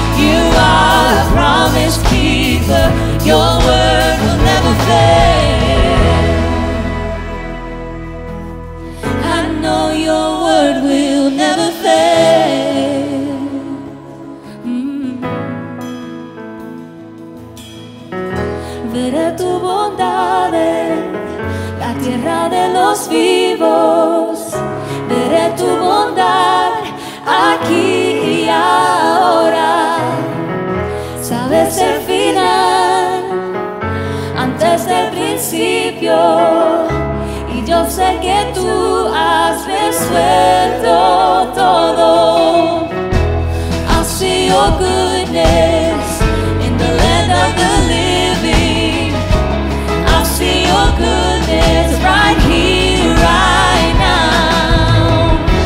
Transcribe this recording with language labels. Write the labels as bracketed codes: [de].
[en] You are a promise keeper. Your word will never fail. I know your word will never fail. [es] Veré tu bondad en la tierra de los vivos. Veré tu bondad aquí y ahora. Sabes el final desde el principio, y yo sé que tú has resuelto todo. [en] I see your goodness in the land of the living. I see your goodness right here, right now.